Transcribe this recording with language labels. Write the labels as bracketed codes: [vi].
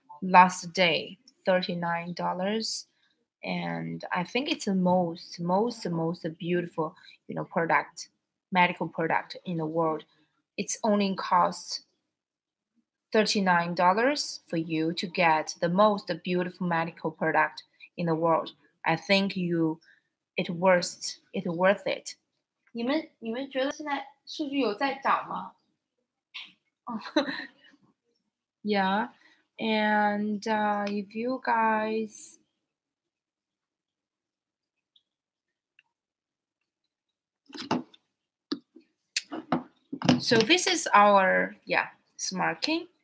[en] Last day, $39, and I think it's the most beautiful, product, medical product in the world. It's only cost $39 for you to get the most beautiful medical product in the world. I think it's worth it. [zh] 你们觉得现在数据有在涨吗？ [en] Yeah. And if you guys, so this is our smart king.